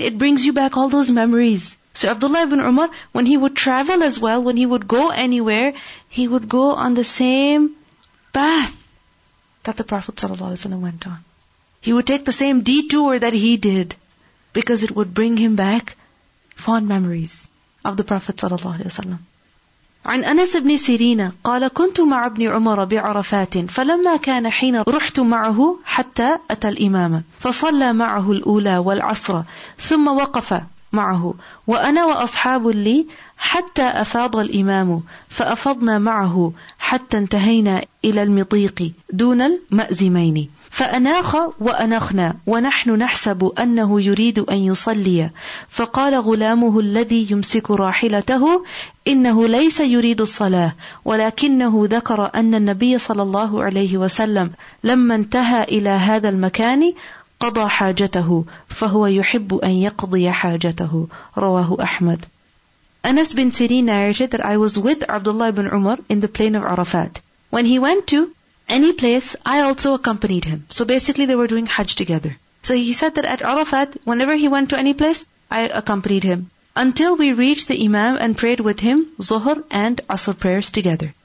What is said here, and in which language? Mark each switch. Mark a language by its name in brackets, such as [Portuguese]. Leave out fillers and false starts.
[English] It brings you back all those memories. So Abdullah ibn Umar, when he would travel as well, when he would go anywhere, he would go on the same path. that the Prophet ﷺ went on. He would take the same detour that he did, because it would bring him back fond memories of the Prophet ﷺ. [Arabic] عن أنس بن سيرين قال كنت مع ابن عمر بعرفات فلما كان حين رحت معه حتى أتى الإمام فصلى معه الأولى والعصر ثم وقف معه وأنا وأصحاب لي حتى أفاض الإمام فأفضنا معه حتى انتهينا إلى المطيق دون المأزمين فأناخ وأنخنا ونحن نحسب أنه يريد أن يصلي فقال غلامه الذي يمسك راحلته إنه ليس يريد الصلاة ولكنه ذكر أن النبي صلى الله عليه وسلم لما انتهى إلى هذا المكان قضى حاجته فهو يحب أن يقضي حاجته رواه أحمد. [English] Anas bin Sirin narrated that I was with Abdullah ibn Umar in the plain of Arafat. When he went to any place, I also accompanied him. So basically they were doing Hajj together. So he said that at Arafat, whenever he went to any place, I accompanied him. Until we reached the Imam and prayed with him, Zuhr and Asr prayers together.